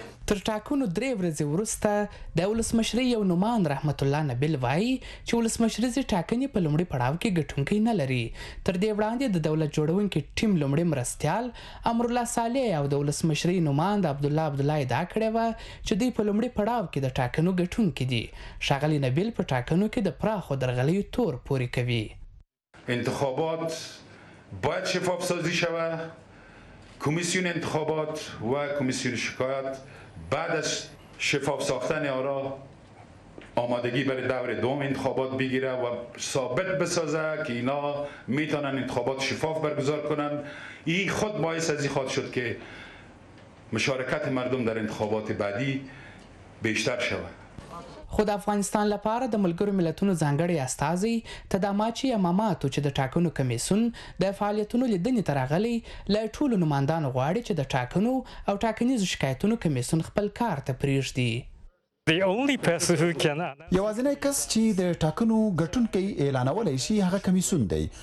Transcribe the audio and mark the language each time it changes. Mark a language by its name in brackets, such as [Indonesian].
[Pashto] تر ټاکنو درې ورځې وروسته د ولسمشري یو نومان رحمت الله نبیل وایي چې ولسمشریزې ټاکنې په لومړي پړاو کې ګټونکي نه لري. تر دې وړاندې د دولت جوړونکي ټیم لومړی مرستیال امرالله صالح او د ولسمشري نوماند عبدالله عبدالله ادعا کړې وه چې دوی په لومړي پړاو کې د ټاکنو ګټونکي دي. ښاغلي نبیل په ټاکنو کې د پراخو درغلیو تور پورې کوي. [Persian] انتخابات باید شفاف سازی شوه. کمیسیون انتخابات و کمیسیون شکایت بعد از شفاف ساختن آرا آمادگی برای دور دوم انتخابات بگیره و ثابت بسازه که اینا میتونن انتخابات شفاف برگزار کنن. این خود باعث از این خواهد شد که مشارکت مردم در انتخابات بعدی بیشتر شود. [Pashto] خود افغانستان لپاره د ملګرو ملتونو ځانګړي استازي تداماچی اماماتو چې د ټاکنو کمیسون د فعالیتونو لیدنې ته راغلی له ټولو نوماندانو غواړي چې د ټاکنو او ټاکنیزو شکایتونو کمیسون خپل کار ته پریږدي. یوازینی کس چې د ټاکنو ګټونکی اعلانولی شي هغه کمیسون دی.